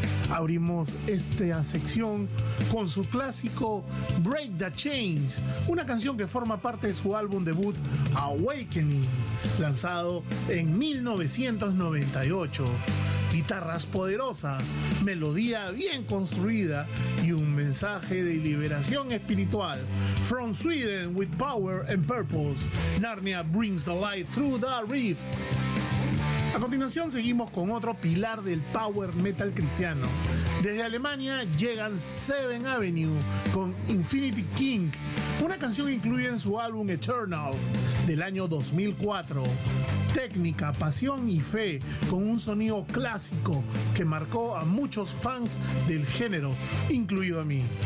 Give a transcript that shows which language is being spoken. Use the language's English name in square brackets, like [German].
[Spanish] Abrimos esta sección con su clásico Break the Chains, una canción que forma parte de su álbum debut Awakening, lanzado en 1998. Guitarras poderosas, melodía bien construida y un mensaje de liberación espiritual. [English] From Sweden with power and purpose, Narnia brings the light through the riffs. [Spanish] A continuación seguimos con otro pilar del power metal cristiano. Desde Alemania llegan Seven Avenue con Infinity King, una canción incluida en su álbum Eternals del año 2004. Técnica, pasión y fe, con un sonido clásico que marcó a muchos fans del género, incluido a mí.